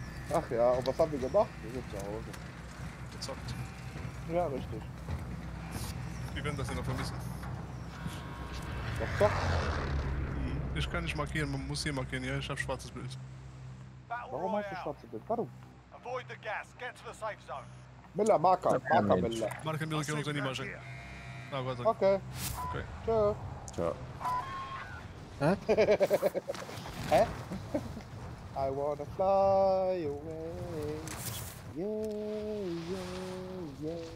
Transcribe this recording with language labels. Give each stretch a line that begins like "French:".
German: Ach ja, und was haben wir gemacht? Wir sind zu Hause. Gezockt. Ja, richtig. Wir werden das hier noch vermissen. Was zockt? Ich kann nicht markieren, man muss hier markieren. Ja, ich hab schwarzes Bild. Warum hast du schwarzes Bild? Warum?
English: Avoid the gas, get to the safe zone. Miller, Marker, Marker, Miller.
German: Marker, Miller, geh unter die Masche. Na, warte. Okay. Okay. Tschö. Tschö. Hä?
English: Hä? I wanna fly away. Yeah, yeah, yeah.